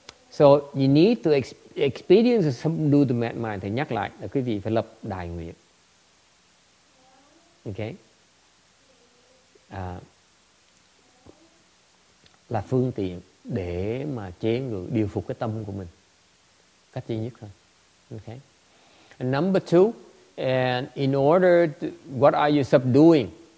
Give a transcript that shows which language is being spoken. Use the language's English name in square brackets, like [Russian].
[English] So you need to experience some new domain mind. [Vietnamese] Thầy nhắc lại là quý vị phải lập đại nguyện. [English] Okay. [Vietnamese] Là phương tiện để mà chế ngự, điều phục cái tâm của mình. Cách duy nhất thôi. Okay. [English] And number two, and in order to, what are you subduing?